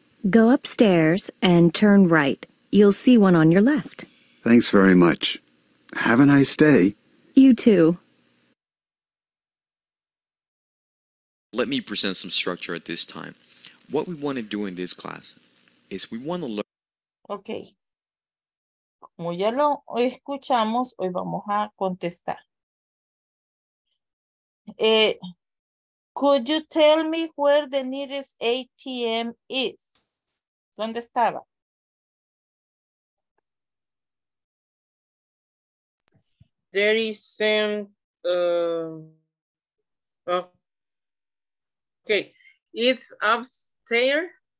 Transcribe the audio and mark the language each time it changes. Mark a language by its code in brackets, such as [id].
[en] Go upstairs and turn right. You'll see one on your left. Thanks very much. Have a nice day. You too. Let me present some structure at this time. What we want to do in this class is we want to learn... Okay. [es] Como ya lo escuchamos, hoy vamos a contestar. [en] Could you tell me where the nearest ATM is? [es] ¿Dónde estaba? [en] There is some, okay, it's upstairs.